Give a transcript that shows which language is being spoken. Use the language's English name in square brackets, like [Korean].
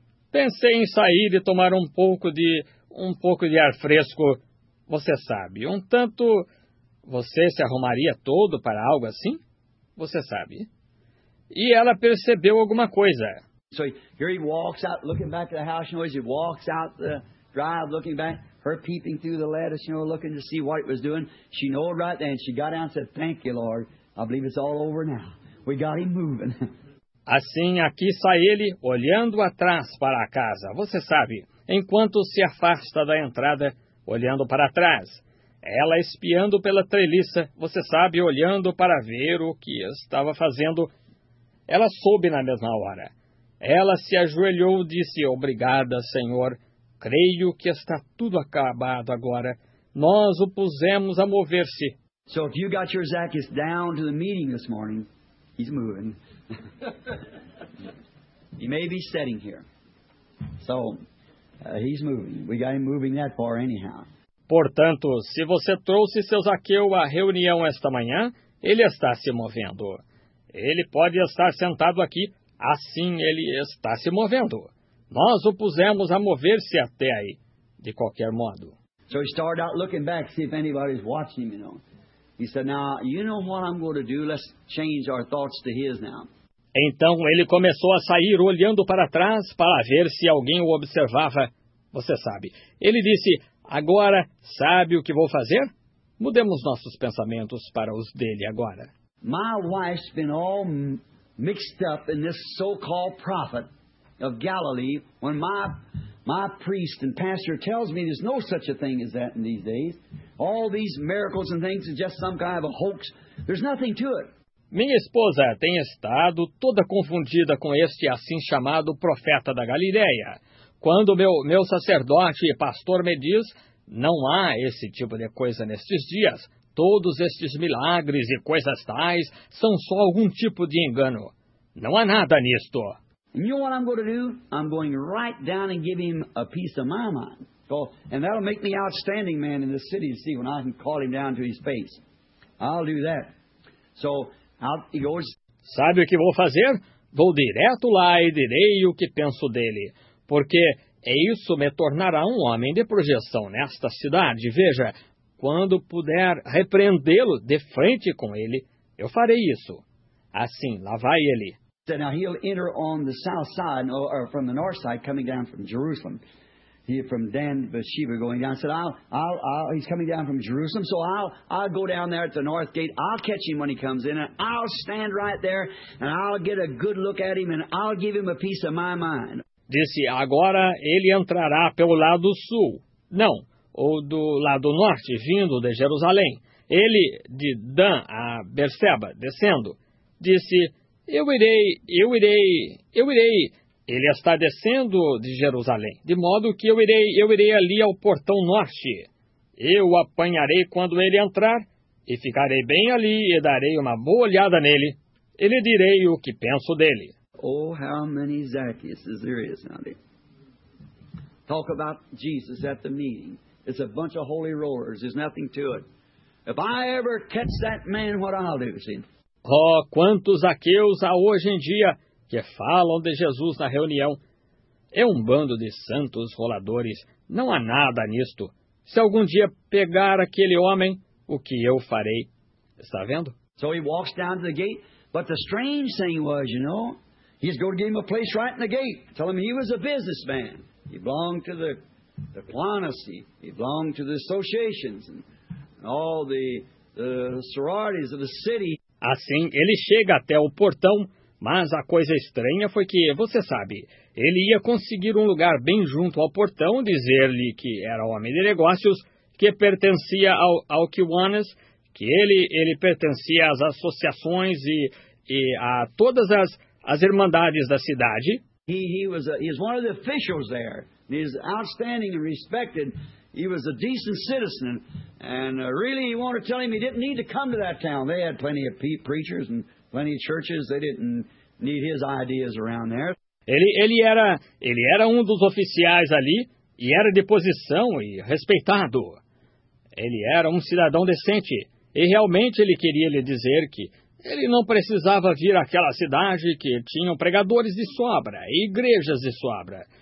[Portuguese] Pensei em sair e tomar um pouco de ar fresco. Você sabe, um tanto... Você se arrumaria todo para algo assim? Você sabe. E ela percebeu alguma coisa. [English] So here he walks out, looking back at the house, you know, as he walks out the drive, looking back, her peeping through the lattice, you know, looking to see what it was doing. She knew right then, she got out and said, thank you, Lord, I believe it's all over now. We got him moving. [Portuguese] Assim, aqui sai ele, olhando atrás para a casa, você sabe, enquanto se afasta da entrada, olhando para trás. Ela espiando pela treliça, você sabe, olhando para ver o que estava fazendo. Ela soube na mesma hora. Ela se ajoelhou e disse: obrigada, Senhor. Creio que está tudo acabado agora. Nós o pusemos a mover-se. [English] So if you got your Zacchaeus down to the meeting this morning, he's moving. He may be sitting here. So he's moving. We got him moving that far anyhow. [Portuguese] Portanto, se você trouxe seu Zaqueu à reunião esta manhã, ele está se movendo. Ele pode estar sentado aqui, assim ele está se movendo. Nós o pusemos a mover-se até aí, de qualquer modo. [English] So he started out looking back, see if anybody's watching him, you know. He said, now, you know what I'm going to do? Let's change our thoughts to his now. [Portuguese] Então ele começou a sair olhando para trás para ver se alguém o observava. Você sabe. Ele disse, agora, sabe o que vou fazer? Mudemos nossos pensamentos para os dele agora. [English] My wife's been all mixed up in this so-called prophet of Galilee when my priest and pastor tells me there's no such a thing as that in these days. All these miracles and things are just some kind of a hoax. There's nothing to it. [Portuguese] Minha esposa tem estado toda confundida com este assim chamado profeta da Galileia. Quando meu sacerdote e pastor me diz, não há esse tipo de coisa nestes dias. Todos estes milagres e coisas tais são só algum tipo de engano. Não há nada nisto. [English] And you know what I'm going to do? I'm going right down and give him a piece of my mind. So, and that'll make me outstanding man in the city, you see, when I can call him down to his face. I'll do that. So, he goes... [Portuguese] Sabe o que vou fazer? Vou direto lá e direi o que penso dele. Porque isso me tornará um homem de projeção nesta cidade. Veja, quando puder repreendê-lo de frente com ele, eu farei isso. Assim, lá vai ele. [English] So now he'll enter on the south side, or from the north side, coming down from Jerusalem. He from Dan Beersheba going down. Said, I'll he's coming down from Jerusalem, so I'll go down there at the north gate. I'll catch him when he comes in, and I'll stand right there, and I'll get a good look at him, and I'll give him a piece of my mind. [Portuguese] Disse, agora ele entrará pelo lado sul. Não, ou do lado norte, vindo de Jerusalém. Ele, de Dan a Beersheba, descendo, disse, Eu irei. Ele está descendo de Jerusalém, de modo que eu irei ali ao portão norte. Eu o apanharei quando ele entrar, e ficarei bem ali e darei uma boa olhada nele. Ele direi o que penso dele. [English] Oh, how many Zacchaeus there is now there. Talk about Jesus at the meeting. It's a bunch of holy rollers. There's nothing to it. If I ever catch that man, what I'll do, see? [Portuguese] Oh, quantos aqueus há hoje em dia que falam de Jesus na reunião. É um bando de santos roladores. Não há nada nisto. Se algum dia pegar aquele homem, o que eu farei? Está vendo? [English] So he walks down to the gate, but the strange thing was, you know, he's going to give him a place right in the gate. Tell him he was a businessman. He belonged to the Kiwanis. He belonged to the associations and all the sororities of the city. [Portuguese] Assim, ele chega até o portão, mas a coisa estranha foi que, você sabe, ele ia conseguir um lugar bem junto ao portão, dizer-lhe que era homem de negócios, que pertencia ao Kiwanis, que ele pertencia às associações e a todas as irmandades da cidade. [English] He was one of the officials there. He's outstanding and respected. He was a decent citizen, and really, you want to tell him he didn't need to come to that town. They had plenty of preachers and plenty of churches. They didn't need his ideas around there. [Portuguese] Ele era um dos oficiais ali, e era de posição e respeitado. Ele era um cidadão decente, e realmente ele queria lhe dizer que ele não precisava vir àquela cidade que tinham pregadores de sobra e igrejas de sobra.